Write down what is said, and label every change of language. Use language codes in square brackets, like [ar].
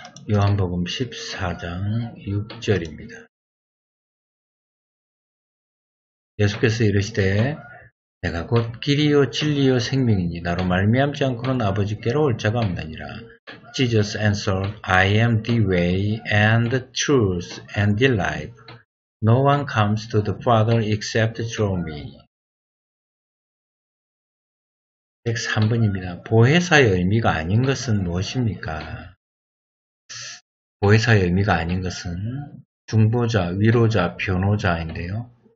[ko] 요한복음 14장 6절입니다. 예수께서 이르시되 내가 곧 길이요 진리요 생명이니 나로 말미암지 않고는 아버지께로 올 자가 없느니라. [en] Jesus answered, I am the way and the truth and the life. No one comes to the Father except through me. [ko] 103번입니다. 보혜사의 의미가 아닌 것은 무엇입니까? 보혜사의 의미가 아닌 것은 중보자, 위로자, 변호자인데요.